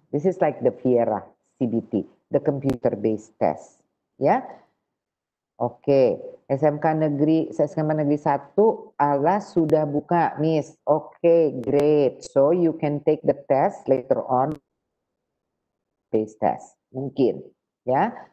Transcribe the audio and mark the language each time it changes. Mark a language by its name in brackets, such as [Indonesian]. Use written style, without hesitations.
[English] This is like the Viera CBT, the computer based test ya. Oke, okay. [Indonesian] SMK negeri 1 Alas sudah buka miss. [English] Oke, okay, great, so you can take the test later on based test mungkin ya.